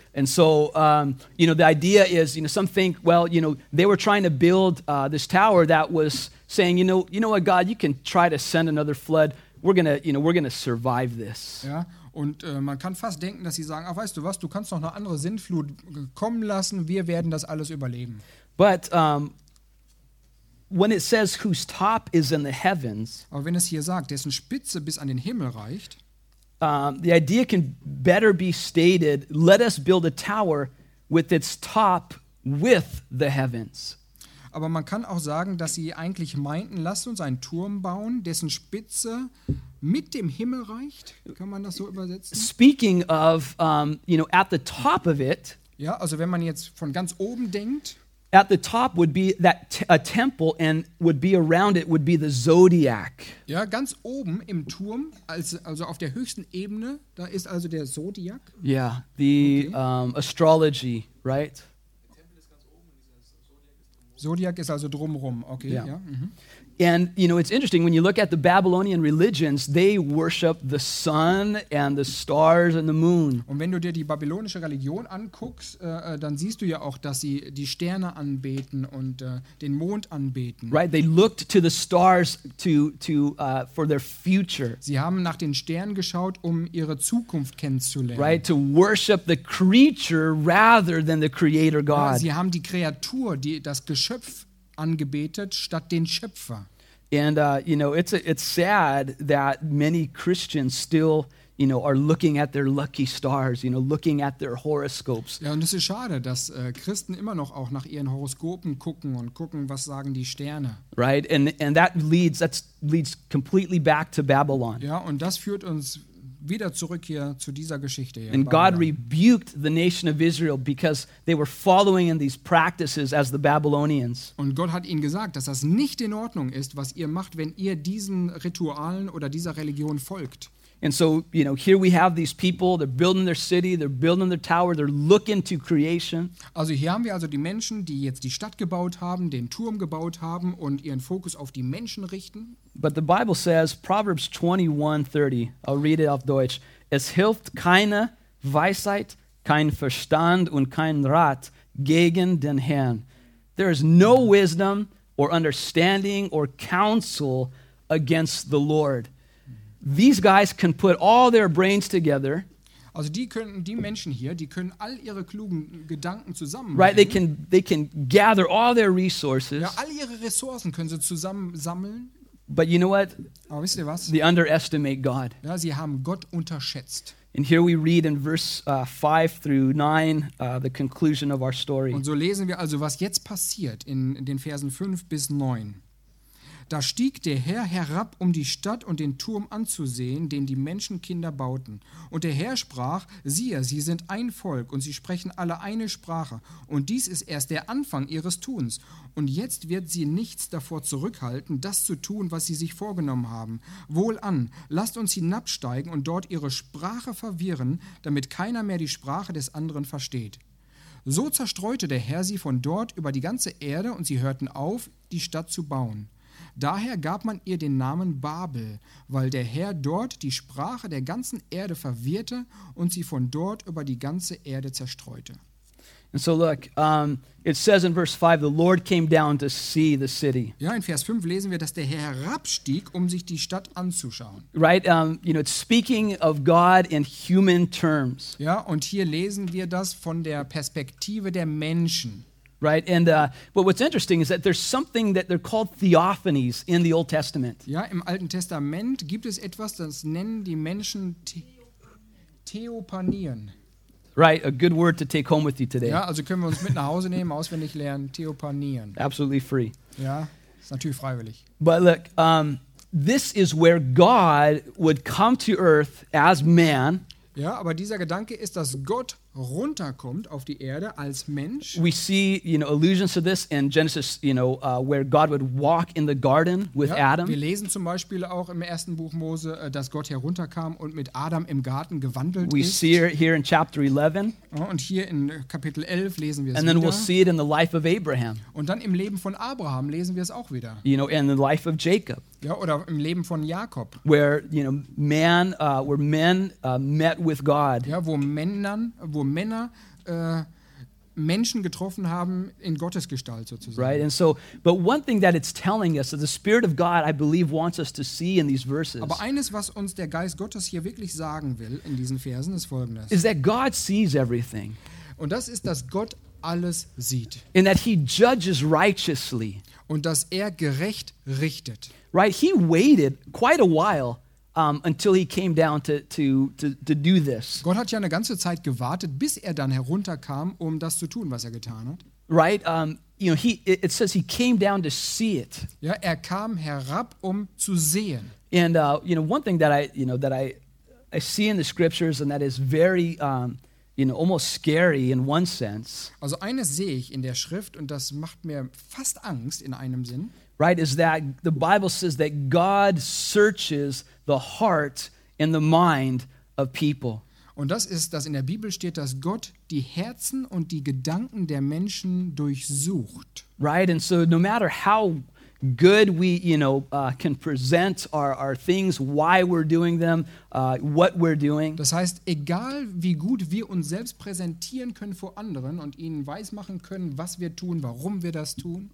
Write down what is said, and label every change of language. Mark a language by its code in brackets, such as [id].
[en] And so, you know, the idea is, you know, some think, well, you know, they were trying to build this tower that was saying, you know what, God, you can try to send another flood. We're gonna, you know, we're gonna survive this. [de] Ja, und man kann fast denken, dass sie sagen, ach, weißt du was, du kannst noch eine andere Sintflut kommen lassen, wir werden das alles überleben. [en] But when it says whose top is in the heavens, [de] aber wenn es hier sagt, dessen Spitze bis an den Himmel reicht, [en] The idea can better be stated, let us build a tower with its top with the heavens. [de] Aber man kann auch sagen, dass sie eigentlich meinten, lasst uns einen Turm bauen, dessen Spitze mit dem Himmel reicht. Kann man das so übersetzen? [en] Speaking of, you know, at the top of it. [de] Ja, also wenn man jetzt von ganz oben denkt. [en] At the top would be that a temple, and would be around it would be the zodiac. [de] Ja, ganz oben im Turm, also auf der höchsten Ebene, da ist also der Zodiac. [en] Yeah, the astrology, right? [de] Zodiac ist also drumherum, okay. [en] Yeah. [de] Ja, [en] And you know, it's interesting when you look at the Babylonian religions, they worship the sun and the stars and the moon. [de] Und wenn du dir die babylonische Religion anguckst, dann siehst du ja auch, dass sie die Sterne anbeten und den Mond anbeten. [en] Right, they looked to the stars for their future. [de] Sie haben nach den Sternen geschaut, um ihre Zukunft kennenzulernen. [en] Right, to worship the creature rather than the creator God. [de] Ja, sie haben die Kreatur, die das Geschöpf angebetet statt den Schöpfer. [en] And you know, it's sad that many Christians still, you know, are looking at their lucky stars, you know, looking at their horoscopes. [de] Ja, und es ist schade, dass Christen immer noch auch nach ihren Horoskopen gucken und gucken, was sagen die Sterne. [en] Right, and that leads completely back to Babylon. [de] Ja, und das führt uns wieder zurück hier zu dieser Geschichte. [en] Hier and God rebuked the nation of Israel because they were following in these practices as the Babylonians. [de] Und Gott hat ihnen gesagt, dass das nicht in Ordnung ist, was ihr macht, wenn ihr diesen Ritualen oder dieser Religion folgt. [en] And so, you know, here we have these people, they're building their city, they're building their tower, they're looking to creation. [de] Also hier haben wir also die Menschen, die jetzt die Stadt gebaut haben, den Turm gebaut haben und ihren Fokus auf die Menschen richten. [en] But the Bible says, Proverbs 21:30, I'll read it [de] auf Deutsch. Es hilft keine Weisheit, kein Verstand und kein Rat gegen den Herrn. [en] There is no wisdom or understanding or counsel against the Lord. These guys can put all their brains together. [de] Also die Menschen hier, die können all ihre klugen Gedanken zusammen. [en] Right, they can gather all their resources. [de] Ja, all ihre Ressourcen können sie zusammen sammeln. [en] But you know what? [de] Aber wisst ihr was? [en] They underestimate God. [de] Ja, sie haben Gott unterschätzt. [en] And here we read in verse 5 through 9 the conclusion of our story. [de] Und so lesen wir also, was jetzt passiert in den Versen 5 bis 9. Da stieg der Herr herab, um die Stadt und den Turm anzusehen, den die Menschenkinder bauten. Und der Herr sprach, siehe, sie sind ein Volk, und sie sprechen alle eine Sprache. Und dies ist erst der Anfang ihres Tuns. Und jetzt wird sie nichts davor zurückhalten, das zu tun, was sie sich vorgenommen haben. Wohlan, lasst uns hinabsteigen und dort ihre Sprache verwirren, damit keiner mehr die Sprache des anderen versteht. So zerstreute der Herr sie von dort über die ganze Erde, und sie hörten auf, die Stadt zu bauen. Daher gab man ihr den Namen Babel, weil der Herr dort die Sprache der ganzen Erde verwirrte und sie von dort über die ganze Erde zerstreute. [en] And so look, it says in verse 5, the Lord came down to see the city. [de] Ja, in Vers 5 lesen wir, dass der Herr herabstieg, um sich die Stadt anzuschauen. [en] Right, you know, it's speaking of God in human terms. [de] Ja, und hier lesen wir das von der Perspektive der Menschen. [en] Right, and but what's interesting is that there's something that they're called theophanies in the Old Testament. [de] Ja, im Alten Testament gibt es etwas, das nennen die Menschen Theopanien. [en] Right, a good word to take home with you today. [de] Ja, also können wir uns mit nach Hause nehmen, auswendig lernen, theopanieren. [en] Absolutely free. [de] Ja, ist natürlich freiwillig. [en] But look, this is where God would come to earth as man. [de] Ja, aber dieser Gedanke ist, dass Gott runterkommt auf die Erde als Mensch. [en] We see, you know, allusions to this in Genesis, you know, where God would walk in the garden with Adam. [de] Wir lesen zum Beispiel auch im ersten Buch Mose, dass Gott herunterkam und mit Adam im Garten gewandelt [en] ist. We see it here in chapter 11. [de] Und hier in Kapitel 11 lesen wir es [en] And then we'll see it in the life of Abraham. [de] Und dann im Leben von Abraham lesen wir es auch wieder. [en] You know, in the life of Jacob. [de] Ja, oder im Leben von Jakob. [en] Where, you know, man, where men met with God. [de] Ja, wo Männer Menschen getroffen haben in Gottes Gestalt sozusagen. [en] Right, and so, but one thing that it's telling us, that the Spirit of God, I believe, wants us to see in these verses. [de] Aber eines, was uns der Geist Gottes hier wirklich sagen will in diesen Versen, ist Folgendes: [en] Is that God sees everything. [de] Und das ist, dass Gott alles sieht. [en] And that He judges righteously. [de] Und dass er gerecht richtet. [en] Right, He waited quite a while. Until he came down to do this. [de] Gott hat ja eine ganze Zeit gewartet, bis er dann herunterkam, um das zu tun, was er getan hat. [en] Right, you know, it says he came down to see it. [de] Ja, er kam herab, um zu sehen. [en] And you know, one thing that I see in the scriptures, and that is very you know, almost scary in one sense. [de] Also eines sehe ich in der Schrift, und das macht mir fast Angst in einem Sinn. [en] Right, is that the Bible says that God searches the heart and the mind of people. [de] Und das ist, dass in der Bibel steht, dass Gott die Herzen und die Gedanken der Menschen durchsucht. [en] Right, and so no matter how good we, you know, can present our things, why we're doing them, what we're doing. [de] Das heißt, egal wie gut wir uns selbst präsentieren können vor anderen und ihnen weismachen können, was wir tun, warum wir das tun.